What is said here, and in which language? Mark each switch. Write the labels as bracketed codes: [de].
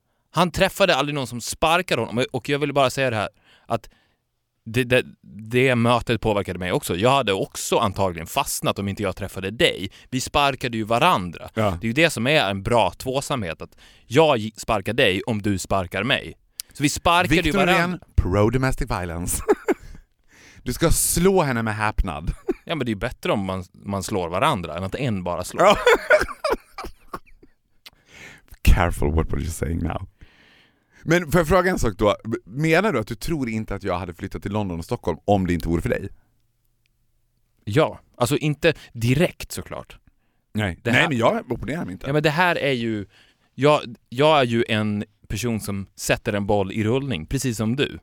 [sv] Han träffade aldrig någon som sparkade honom. Och jag ville bara säga det här. Att det mötet påverkade mig också. Jag hade också antagligen fastnat om inte jag träffade dig. Vi sparkade ju varandra. Ja. Det är ju det som är en bra tvåsamhet. Att jag sparkar dig om du sparkar mig. Så vi sparkade ju varandra. [en] Victorian, pro domestic violence. [sv] Du ska slå henne med häpnad. Ja, men det är ju bättre om man slår varandra än att en bara slår. [en] Careful what you're saying now. [sv] Men får jag fråga en sak då? Menar du att du tror inte att jag hade flyttat till London och Stockholm om det inte vore för dig? Ja, alltså inte direkt såklart. Nej, här, nej, men jag opponerar mig inte. Ja, men det här är ju... Jag är ju en person som sätter en boll i rullning, precis som du.